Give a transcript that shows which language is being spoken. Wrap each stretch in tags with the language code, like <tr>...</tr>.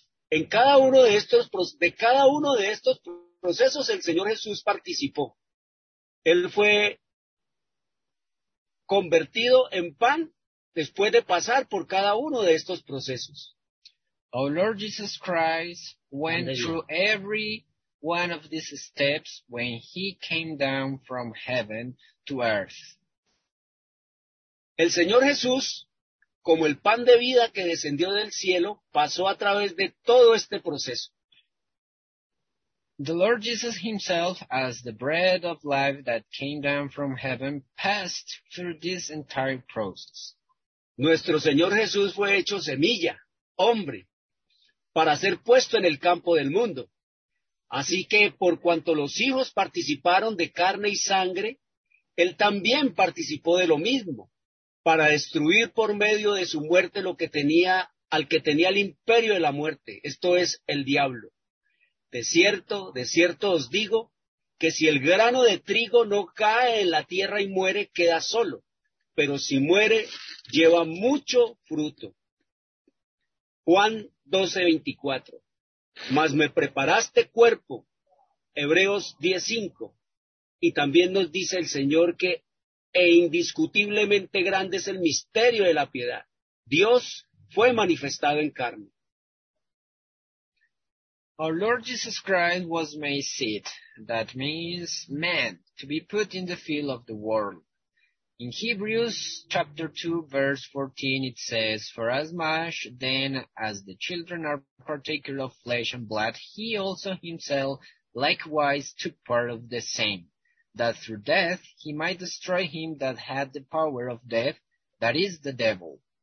<es>En cada uno de estos, de cada uno de estos procesos, el Señor Jesús participó. Él fue convertido en pan después de pasar por cada uno de estos procesos.</es> <en>Our Lord Jesus Christ went through every one of these steps when he came down from heaven to earth.</en> <es>El Señor Jesús, como el pan de vida que descendió del cielo, pasó a través de todo este proceso.</es> <en>The Lord Jesus himself, as the bread of life that came down from heaven, passed through this entire process.</en> <es>Nuestro Señor Jesús fue hecho semilla, hombre, para ser puesto en el campo del mundo. Así que, por cuanto los hijos participaron de carne y sangre, él también participó de lo mismo, para destruir por medio de su muerte lo que tenía, al que tenía el imperio de la muerte, esto es, el diablo. De cierto os digo, que si el grano de trigo no cae en la tierra y muere, queda solo, pero si muere, lleva mucho fruto. Juan 12:24. Mas me preparaste cuerpo, Hebreos 10:5. Y también nos dice el Señor que e indiscutiblemente grande es el misterio de la piedad. Dios fue manifestado en carne.</es> <en>Our Lord Jesus Christ was made seed, that means man, to be put in the field of the world. In Hebrews chapter 2, verse 14, it says, for as much then as the children are partakers of flesh and blood, he also himself likewise took part of the same, that through death he might destroy him that had the power of death, that is the devil.</en>